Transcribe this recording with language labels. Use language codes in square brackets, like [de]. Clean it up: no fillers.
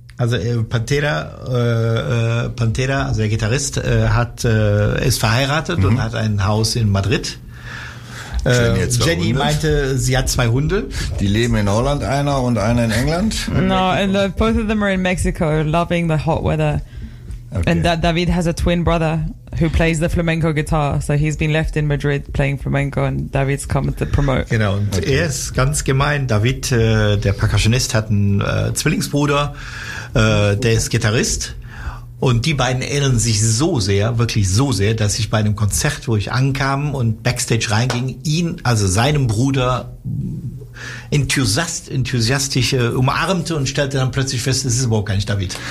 [de] Also Pantera, also der Gitarrist, ist verheiratet, mhm, und hat ein Haus in Madrid. Jenny meinte, sie hat zwei Hunde. Die leben in Holland, einer, und einer in England. [en] No, and both of them are in Mexico, loving the hot weather. Okay. And David has a twin brother who plays the flamenco guitar. So he's been left in Madrid playing flamenco and David's come to promote. [de] Genau, und okay, er ist ganz gemein. David, der Percussionist, hat einen Zwillingsbruder, der ist Gitarrist. Und die beiden ähneln sich so sehr, wirklich so sehr, dass ich bei einem Konzert, wo ich ankam und backstage reinging, ihn, also seinem Bruder, enthusiastisch umarmte und stellte dann plötzlich fest, es ist überhaupt gar nicht David.